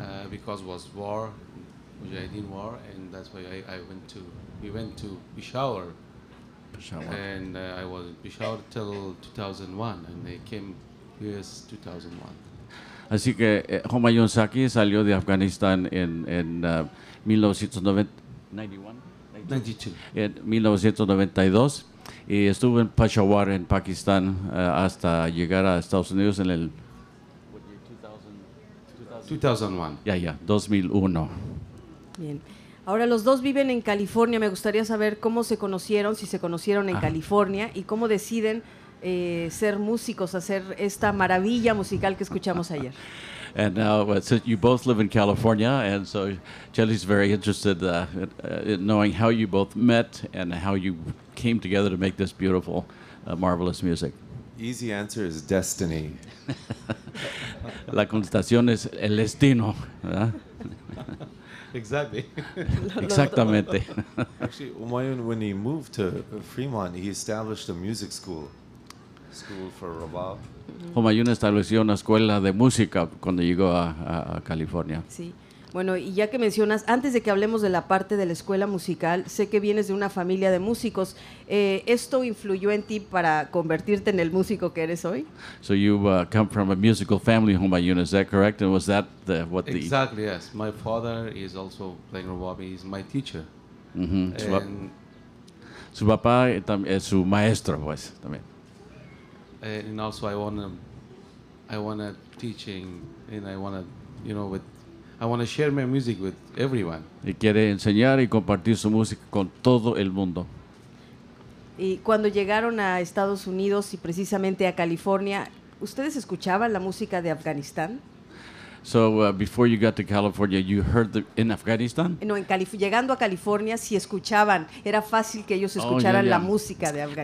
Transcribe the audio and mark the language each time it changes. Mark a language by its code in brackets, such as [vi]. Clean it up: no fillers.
[en] Because it was war, Mujahideen war, and that's why we went to Peshawar. Peshawar. And I was in Peshawar till 2001, and they came here in 2001. [es] Así que Humayun Sahi salió de Afganistán en 1992, y estuvo en Peshawar en Pakistán hasta llegar a Estados Unidos en el 2001. Ya, 2001. Bien. Ahora los dos viven en California. Me gustaría saber cómo se conocieron, si se conocieron en California, y cómo deciden ser músicos, hacer esta maravilla musical que escuchamos ayer. [en] And now, so you both live in California, and so Chelis is very interested in knowing how you both met and how you came together to make this beautiful, marvelous music. Easy answer is destiny. [es] La contestación es el destino, ¿verdad? [en] Exactly. [es] Exactamente. [en] Actually, Umayun, when he moved to Fremont, he established a music school for rubab. [es] Umayun estableció una escuela de música cuando llegó a California. Sí. Bueno, y ya que mencionas, antes de que hablemos de la parte de la escuela musical, sé que vienes de una familia de músicos. ¿Esto influyó en ti para convertirte en el músico que eres hoy? [en] So you come from a musical family home by Yuna, is that correct? And was that the, what the... Exactly, yes. My father is also playing Robbie, he's my teacher. [es] Mm-hmm. And su papá es su maestro, pues, también. [en] And also I wanna teaching, and I wanna, you know, with I want to share my music with everyone. [es] Y quiere enseñar y compartir su música con todo el mundo. Y cuando llegaron a Estados Unidos y precisamente a California, ¿ustedes escuchaban la música de Afganistán? [en] So before you got to California, you heard the in Afghanistan? [es] No, en llegando a California sí escuchaban. Era fácil que ellos escucharan la música de Afganistán.